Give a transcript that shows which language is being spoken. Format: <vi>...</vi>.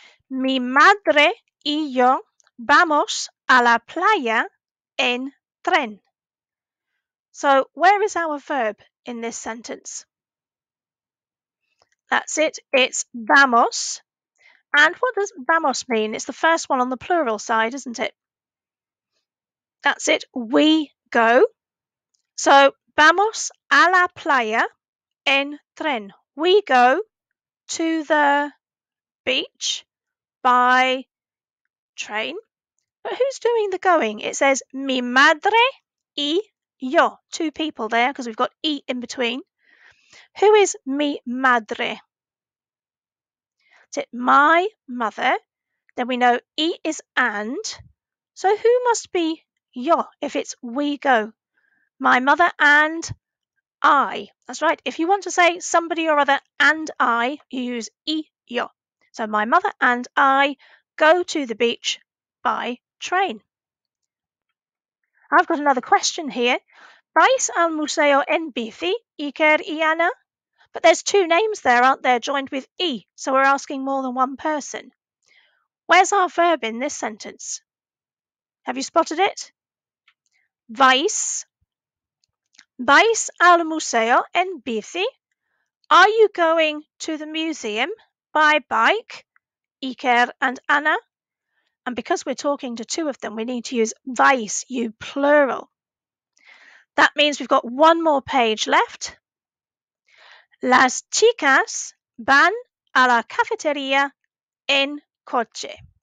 <es>Mi madre y yo vamos a la playa en tren.</es> <en>So where is our verb in this sentence? That's it. It's vamos. And what does vamos mean? It's the first one on the plural side, isn't it? That's it. We go.</en> <es>So vamos a la playa en tren.</es> <en>We go to the beach by train. But who's doing the going? It says</en> <es>mi madre y yo.</es> <en>Two people there because we've got y in between. Who is</en> <es>mi madre?</es> <en>Is it my mother? Then we know y is and. So who must be yo if it's we go? My mother and I. That's right. If you want to say somebody or other and I, you use</en> <es>y yo.</es> <en>So my mother and I go to the beach by train. I've got another question here.</en> <es>¿Vais al museo en bici, Iker y Ana?</es> <en>But there's two names there, aren't there, joined with y, so we're asking more than one person. Where's our verb in this sentence? Have you spotted it? ¿Vais?</en> <es>¿Vais al museo en bici?</es> <en>Are you going to the museum by bike, Iker and Ana? And because we're talking to two of them, we need to use vice, you plural. That means we've got one more page left.</en> <es>Las chicas van a la cafetería en coche.</es>